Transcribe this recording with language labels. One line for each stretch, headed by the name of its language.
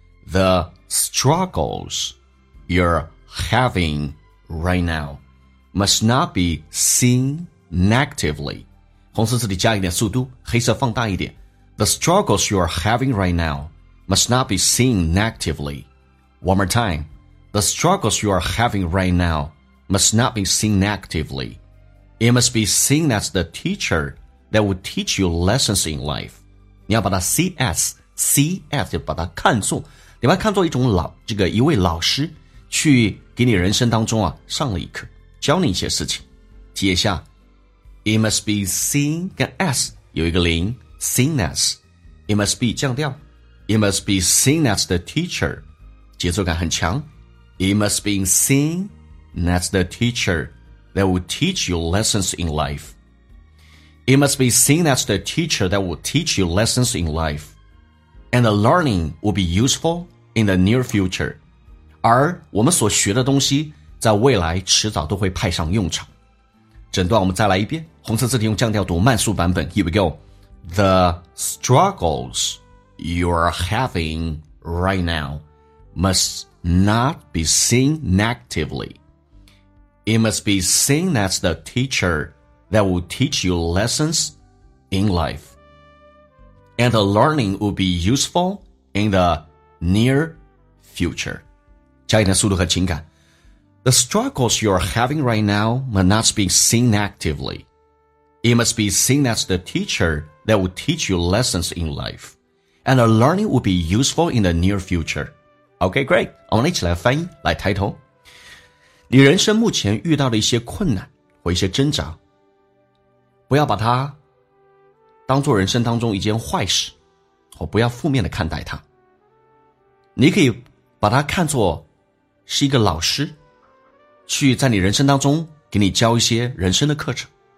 English: The struggles you're having right now must not be seen negatively
Chinese: 红色字体加一点速度黑色放大一点
English: The struggles you're having right now must not be seen negatively One more timeThe struggles you are having right now must not be seen negatively. It must be seen as the teacher that will teach you lessons in life.
Chinese: 你要把它 CS 就把它看作你把它看作一种老这个一位老师去给你人生当中啊上了一课教你一些事情。接下
English: It must be seen
Chinese: 跟
English: S
Chinese: 有一个零
English: seen as. It must be
Chinese: 降调
English: It must be seen as the teacher.
Chinese: 节奏感很强
English: It must be seen as the teacher that will teach you lessons in life. It must be seen as the teacher that will teach you lessons in life. And the learning will be useful in the near future.
Chinese: 而我们所学的东西在未来迟早都会派上用场。整段我们再来一遍，红色字体用降调读慢速版本。
English: Here we go. The struggles you are having right now must... not be seen negatively. It must be seen as the teacher that will teach you lessons in life. And the learning will be useful in the near future.
Chinese: 加一点速度和情感。
English: The struggles you are having right now must not be seen negatively. It must be seen as the teacher that will teach you lessons in life. And the learning will be useful in the near future. OK, great.
Chinese: 我们一起来翻译，来抬头。你人生目前遇到的一些困难或一些挣扎，不要把它当做人生当中一件坏事，或不要负面的看待它。你可以把它看作是一个老师，去在你人生当中给你教一些人生的课程。